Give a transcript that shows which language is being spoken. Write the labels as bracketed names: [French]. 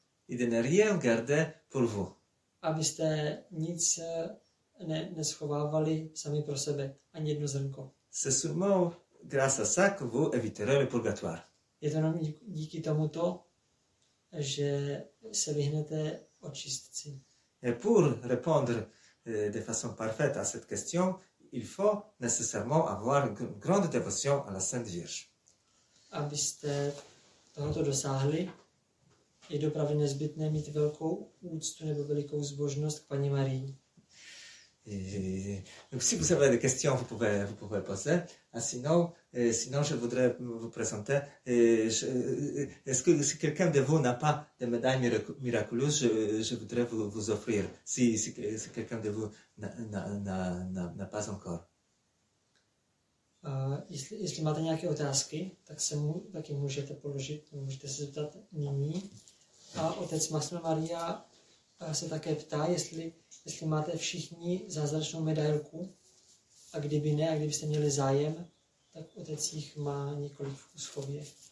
[French] Il ne rien garde pour vous. [Czech] Abyste nic neschovávali sami pro sebe, ani jedno zrnko. [French] C'est seulement grâce à ça que vous éviterez le purgatoire. [Czech] Je to jenom díky tomuto, že se vyhnete očistci. [French] Et pour répondre de façon parfaite à cette question, il faut nécessairement avoir une grande dévotion à la Sainte Vierge. [Czech] Abyste tohoto dosáhli, je opravdu nezbytné mít velkou úctu nebo velikou zbožnost k Panně Marii. [French] Donc si vous avez des questions, vous pouvez poser. Sinon, je voudrais vous présenter. Est-ce que si quelqu'un de vous n'a pas de médaille miraculeuse, je voudrais vous offrir. Si quelqu'un de vous n'a pas encore. [Czech] Jestli máte nějaké otázky, taky můžete položit, můžete se zeptat nyní. A otec Masna Maria se také ptá, jestli máte všichni zázračnou medailku, a kdyby ne, a kdybyste měli zájem, tak otec jich má několik v úschově.